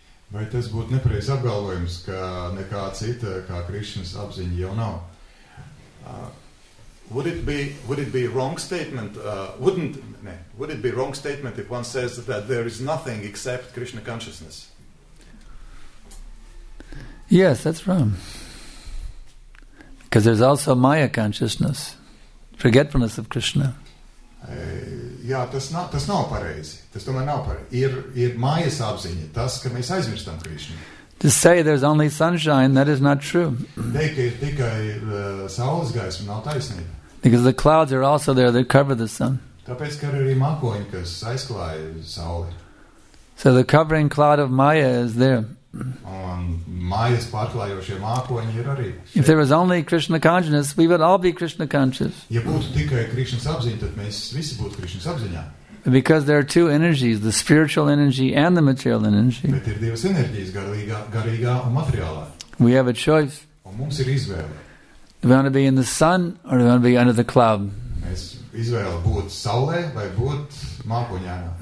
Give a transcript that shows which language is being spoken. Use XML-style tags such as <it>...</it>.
<lv>Vai tas būtu nepareizs apgalvojums, ka nekā cita, kā Krišnas apziņa jau nav?</lv> <en>Would it be wrong statement if one says that there is nothing except Krishna consciousness? Yes, that's wrong. Because there's also Maya consciousness, forgetfulness of Krishna.</en> <lv>Jā, tas nav pareizi. Tas tomēr nav pareizi. Ir mājas apziņa, tas, ka mēs aizmirstam Krišnu.</lv> <en>To say there's only sunshine, that is not true.</en> <lv>Teikt, ka ir tikai saules gaisma, nav taisnība.</lv> <en>Because the clouds are also there, they cover the sun.</en> <lv>Tāpēc, ka ir arī mākoņi, kas aizklāja sauli.</lv> <en>So the covering cloud of Maya is there.</en> <lv>Un mājas pārklājošie mākoņi ir arī.</lv> <en>If there was only Krishna consciousness, we would all be Krishna conscious.</en> <lv>Ja būtu tikai Krišnas apziņa, tad mēs visi būtu Krišnas apziņā.</lv> <en>Because there are two energies, the spiritual energy and the material energy.</en> <lv>Bet ir divas enerģijas, garīgā un materiālā.</lv> <en>We have a choice.</en> <lv>Un mums ir izvēle.</lv> <en>Do we want to be in the sun or do we want to be under the cloud?</en> <lv>Mēs izvēle būt saulē vai būt mākoņā.</lv>